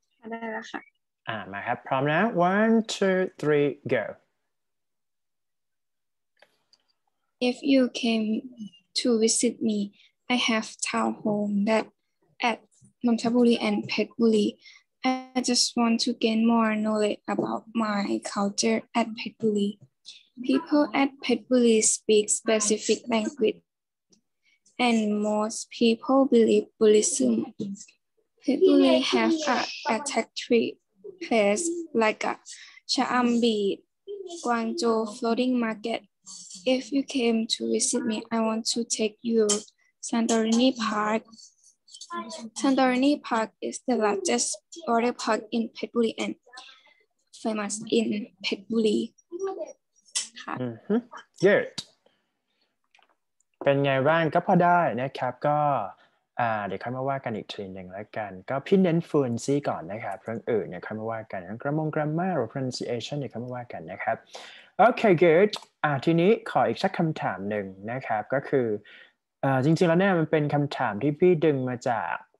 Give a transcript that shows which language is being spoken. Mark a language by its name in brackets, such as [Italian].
[Thai] ได้แล้วค่ะ มาครับพร้อมนะ [English] one two three go if you came to visit me I have town home that at Nonthaburi and Phetchaburi I just want to gain more knowledge about my culture at Phetchaburi people at Phetchaburi speak specific language and most people believe Buddhism. People have a attractive place like a Chaam Beach, Guangzhou floating market. If you came to visit me, I want to take you to Santorini Park. Santorini Park is the largest water park in Phetchaburi and famous in Phetchaburi. Mm-hmm. Good. [Thai] เป็นไงบ้างก็พอได้นะครับก็เดี๋ยวค่อยมาว่ากันอีกทีนึงแล้วกันก็พี่เน้นฟลูเอนซีก่อนนะครับเรื่องอื่นเนี่ยค่อยมาว่ากันกรามงกรามมาหรือ pronunciation เดี๋ยวค่อยมาว่ากันนะครับโอเค good ทีนี้ขออีกสักคำถามหนึ่งนะครับก็คือจริงๆแล้วเนี่ยมันเป็นคำถามที่พี่ดึงมาจาก